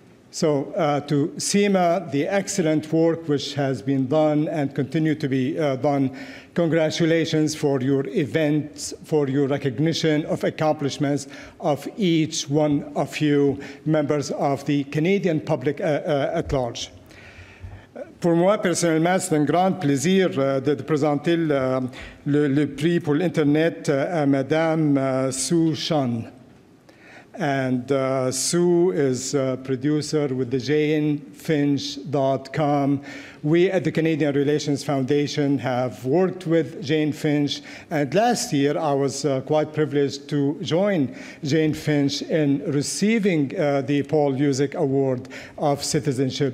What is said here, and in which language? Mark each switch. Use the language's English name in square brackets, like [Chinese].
[English] So to CEMA, the excellent work which has been done and continue to be done, congratulations for your events, for your recognition of accomplishments of each one of you members of the Canadian public at large. [French] Pour moi personnellement, c'est un grand plaisir de présenter le prix pour l'Internet à Madame Su Shan. [English] And Sue is a producer with the JaneFinch.com. We at the Canadian Relations Foundation have worked with Jane Finch. And last year, I was quite privileged to join Jane Finch in receiving the Paul Juzek Award of Citizenship.